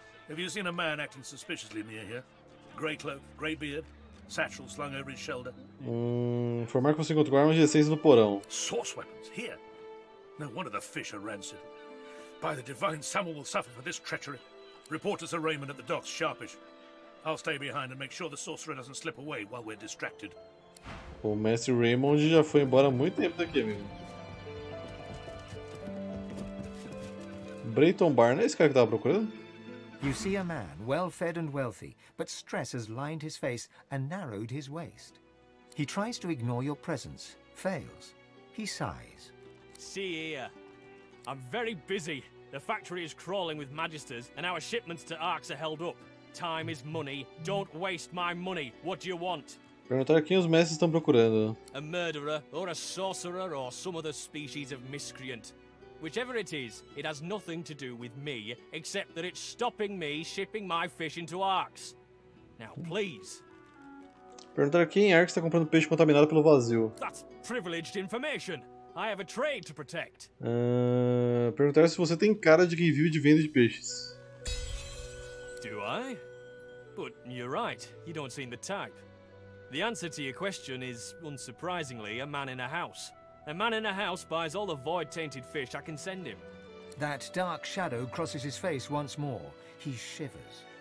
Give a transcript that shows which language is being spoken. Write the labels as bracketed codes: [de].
[en] Have you seen a man acting suspiciously near here? Grey cloak, grey beard, satchel slung over his shoulder. [pt] Informar que você encontrou armas de essência no porão. [en] Source weapons here. No wonder the fish are rancid. By the divine, someone will suffer for this treachery. Reporters are Raymond at the docks, sharpish. I'll stay behind and make sure the sorcerer doesn't slip away while we're distracted. [pt] O mestre Raymond já foi embora há muito tempo daqui, amigo. Brayton Barnes, esse cara que tava procurando? [en] You see a man, well fed and wealthy, but stress has lined his face and narrowed his waist. He tries to ignore your presence, fails. He sighs. See here. I'm very busy. The factory is crawling with magisters and our shipments to Arcs are held up. Time is money. Don't waste my money. What do you want? [pt] Perguntar quem os mestres estão procurando. [en] A murderer, or a sorcerer, or some other species of miscreant. Whichever it is, it has nothing to do with me, except that it's stopping me shipping my fish into Arcs. Now, please. [pt] Perguntar quem Arcs está comprando peixe contaminado pelo vazio. [en] That's privileged information. I have a trade to protect. [pt] Perguntar se você tem cara de quem vive de venda de peixes. [en] Do I? But you're right, you don't seem the type. The answer to your question is, unsurprisingly, a man in a house. A man in a house buys all the void-tainted fish I can send him. That dark shadow crosses his face once more. He shivers.